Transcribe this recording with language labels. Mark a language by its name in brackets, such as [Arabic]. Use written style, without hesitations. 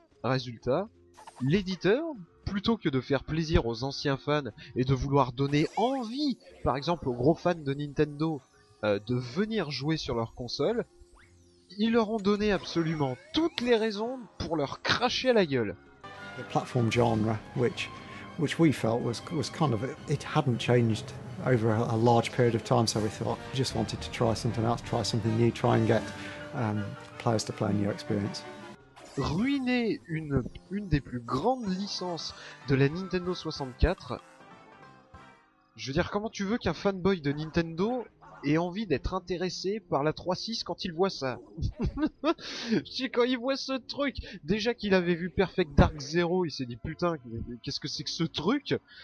[French] Résultat, l'éditeur, plutôt que de faire plaisir aux anciens fans et de vouloir donner envie, par exemple aux gros fans de Nintendo, de venir jouer sur leur console, ils leur ont donné absolument toutes les raisons pour leur cracher à la gueule. [English] The platform genre, which we felt was kind of, it hadn't changed over a large period of time, so we thought we just wanted to try something else, try something new, try and get players to play a new experience. [French] Ruiner une des plus grandes licences de la Nintendo 64, je veux dire, comment tu veux qu'un fanboy de Nintendo ait envie d'être intéressé par la 3.6 quand il voit ça? Si quand il voit ce truc, déjà qu'il avait vu Perfect Dark Zero, il s'est dit putain, qu'est-ce que c'est que ce truc?